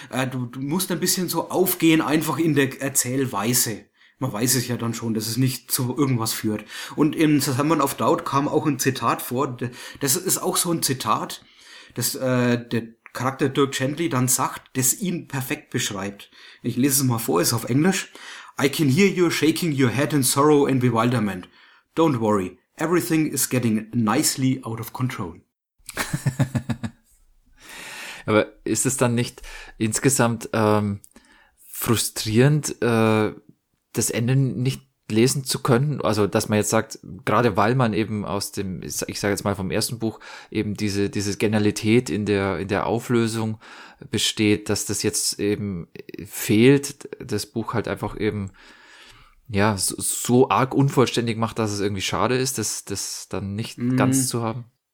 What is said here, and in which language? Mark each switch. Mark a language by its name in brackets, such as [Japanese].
[German] Du musst ein bisschen so aufgehen, einfach in der Erzählweise. Man weiß es ja dann schon, dass es nicht zu irgendwas führt. Und in The Simon of Doubt kam auch ein Zitat vor. Das ist auch so ein Zitat, das der Charakter Dirk Gently dann sagt, das ihn perfekt beschreibt. Ich lese es mal vor, ist auf Englisch. [English] I can hear you shaking your head in sorrow and bewilderment. Don't worry, everything is getting nicely out of control. [German] Aber ist es dann nicht insgesamt frustrierend, das Ende nicht lesen zu können, also dass man jetzt sagt, gerade weil man eben aus dem, ich sage jetzt mal vom ersten Buch, eben diese Genialität in der Auflösung besteht, dass das jetzt eben fehlt, das Buch halt einfach eben ja so arg unvollständig macht, dass es irgendwie schade ist, das dann nicht ganz zu haben.